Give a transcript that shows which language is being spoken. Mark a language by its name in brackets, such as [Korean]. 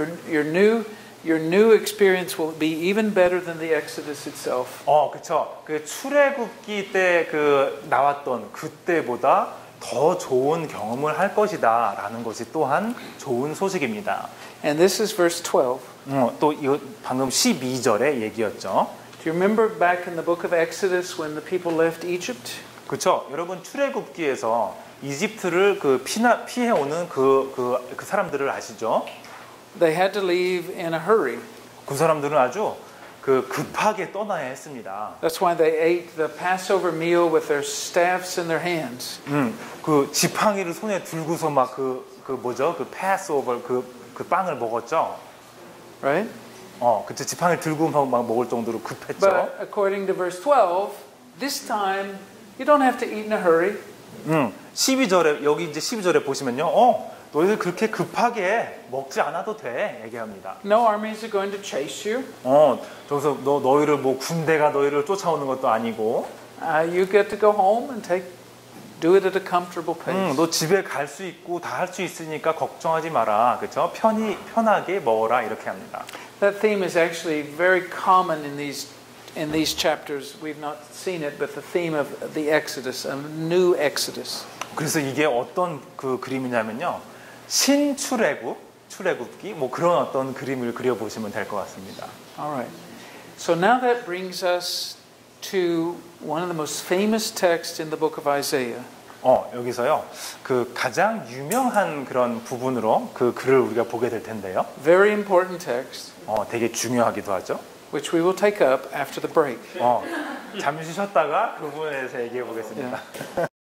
[English] Your new experience will be even better than the Exodus itself. [Korean] 그렇죠. 그 출애굽기 때 그 나왔던 그때보다 더 좋은 경험을 할 것이다라는 것이 또한 좋은 소식입니다. [English] And this is verse 12. [Korean] 또 이 방금 12절의 얘기였죠. [English] Do you remember back in the book of Exodus when the people left Egypt? [Korean] 그렇죠. 여러분 출애굽기에서 이집트를 그 피해 오는 그 사람들을 아시죠? [English] They had to leave in a hurry. [Korean] 그 사람들은 아주 그 급하게 떠나야 했습니다. [English] That's why they ate the Passover meal with their staffs in their hands. [Korean] 그 지팡이를 손에 들고서 막 그 Passover 그 빵을 먹었죠. [English] Right? [Korean] 그때 지팡이 들고 막 먹을 정도로 급했죠. [English] But according to verse 12, This time you don't have to eat in a hurry. [Korean] 12절에 여기 이제 12절에 보시면요. 너희들 그렇게 급하게 먹지 않아도 돼. 얘기합니다. [English] No armies are going to chase you. [Korean] 저기서 너희를 뭐 군대가 너희를 쫓아오는 것도 아니고. [English] You get to go home and take do it at a comfortable pace. [Korean] 너 집에 갈 수 있고 다 할 수 있으니까 걱정하지 마라. 그렇죠? 편하게 먹어라 이렇게 합니다. [English] That theme is actually very common in these chapters. We've not seen it, but the theme of the Exodus, a new Exodus. [Korean] 그래서 이게 어떤 그 그림이냐면요. 신출애굽, 출애굽기 뭐 그런 어떤 그림을 그려 보시면 될 것 같습니다. [English] All right. So now that brings us to one of the most famous texts in the book of Isaiah. [Korean] 여기서요. 그 가장 유명한 그런 부분으로 그 글을 우리가 보게 될 텐데요. [English] Very important text. [Korean] 되게 중요하기도 하죠. [English] Which we will take up after the break. [Korean] 잠시 쉬었다가 그 부분에서 얘기해 보겠습니다. [English] Yeah.